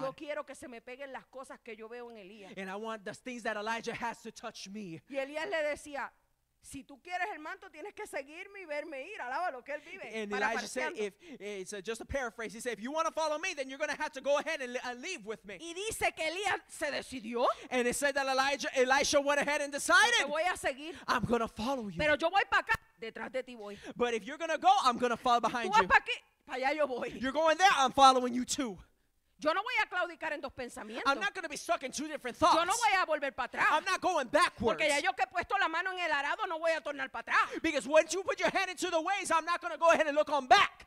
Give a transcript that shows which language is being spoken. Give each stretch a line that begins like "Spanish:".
Spanish: Y yo quiero que se me peguen las cosas que yo veo en Elías.
English: And I want the things that Elijah has to touch me.
Spanish: Y Elías le decía, si tú quieres el manto, tienes que seguirme y verme ir. Alaba lo que él vive.
English: And Elijah said, just a paraphrase, he said, if you want to follow me, then you're going to have to go ahead and leave with me.
Spanish: Y dice que Elías se decidió.
English: And it said that Elisha went ahead and decided.
Spanish: Te voy a seguir.
English: I'm going to follow you.
Spanish: Pero yo voy para acá, detrás de ti voy.
English: But if you're going to go, I'm going to follow behind
Spanish: tú vas
English: you.
Spanish: Para aquí, para allá yo voy.
English: You're going there, I'm following you too.
Spanish: Yo no voy a claudicar en dos pensamientos.
English: I'm not going to be stuck in two different thoughts.
Spanish: Yo no voy a volver para atrás.
English: I'm not going backwards.
Spanish: Porque ya yo que he puesto la mano en el arado no voy a tornar para atrás.
English: Because once you put your hand into the ways, I'm not going to go ahead and look on back.